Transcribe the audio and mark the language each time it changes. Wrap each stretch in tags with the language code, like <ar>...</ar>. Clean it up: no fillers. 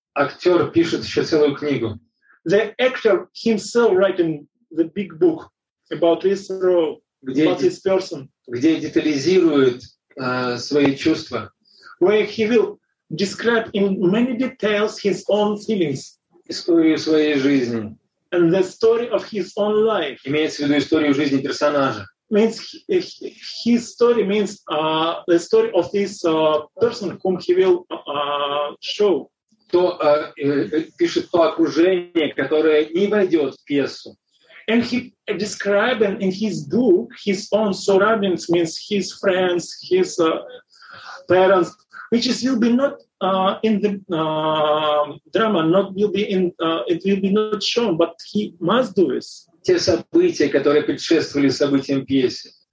<ru>Актер пишет еще целую книгу.</ru> <en>The actor himself writing the big book about this role, about this person.</en> <ru>Где детализирует свои чувства.</ru> <en>Where he will describe in many details his own feelings.</en> <ru>Историю своей жизни.</ru> <en>And the story of his own life.</en> <ru>Имеется в виду историю жизни персонажа.</ru> <en>Means his story means the story of this person whom he will show.</en> <ru>То пишет то окружение, которое не войдет в пьесу.</ru> <en>And he describing in his book his own surroundings means his friends, his parents. Which is will be not in the drama, not will be in it will be not shown, but he must do this.</en> <ru>Те события, которые предшествовали событиям пьесы.</ru>